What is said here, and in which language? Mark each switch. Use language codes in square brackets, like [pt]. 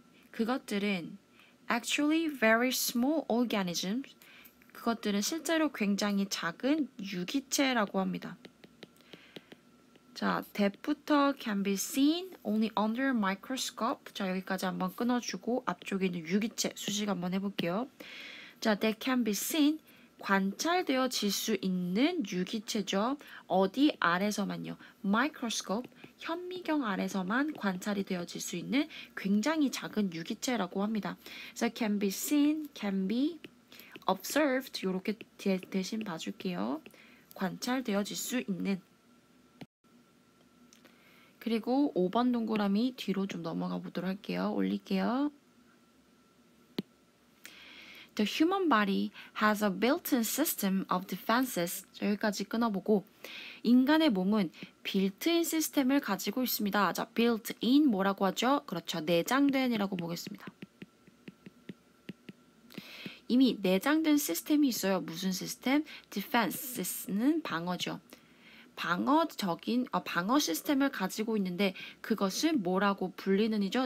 [ko] 그것들은 [en] actually very small organisms. [ko] 그것들은 실제로 굉장히 작은 유기체라고 합니다. [en] 자, [ko] depth부터 [en] can be seen only under a microscope. [ko] 자, 여기까지 한번 끊어주고 앞쪽에 있는 유기체 수식 한번 해볼게요. [en] 자, they can be seen. [ko] 관찰되어질 수 있는 유기체죠. 어디 아래서만요? microscope. 현미경 아래서만 관찰이 되어질 수 있는 굉장히 작은 유기체라고 합니다. 그래서 [en] can be seen, can be observed [ko] 이렇게 대신 봐줄게요. 관찰되어질 수 있는. 그리고 5번 동그라미 뒤로 좀 넘어가 보도록 할게요. 올릴게요. [en] The human body has a built-in system of defenses. [ko] 여기까지 끊어보고 인간의 몸은 built-in 시스템을 가지고 있습니다. 자, built-in 뭐라고 하죠? 그렇죠. 내장된이라고 보겠습니다. 이미 내장된 시스템이 있어요. 무슨 시스템? defenses는 방어죠. 방어 시스템을 가지고 있는데 그것을 뭐라고 불리는이죠?